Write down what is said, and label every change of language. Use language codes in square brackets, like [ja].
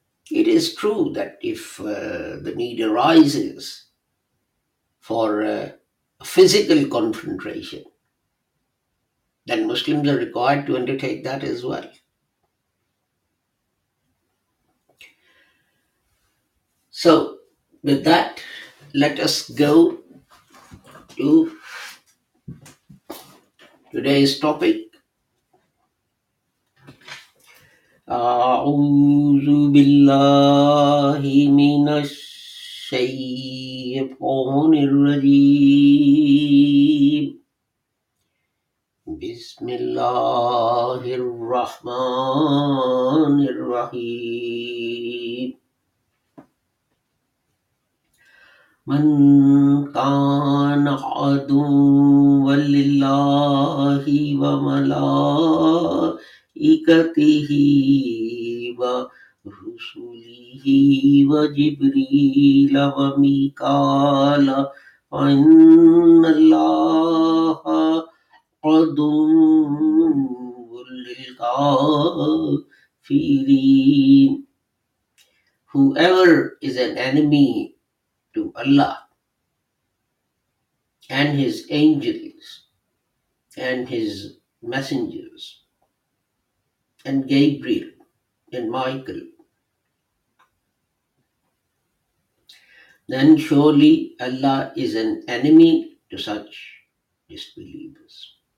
[en] It is true that if the need arises for a physical confrontation, then Muslims are required to undertake that as well. So, with that, let us go to today's topic. [ar] أعوذ بالله من الشيطان الرجيم بسم الله الرحمن الرحيم من كان عدوا لله وملائكته ورسله وجبريل وميكال فإن الله عدو للكافرين. [en] Whoever is an enemy to Allah and His angels and His messengers and Gabriel and Michael, then surely Allah is an enemy to such disbelievers.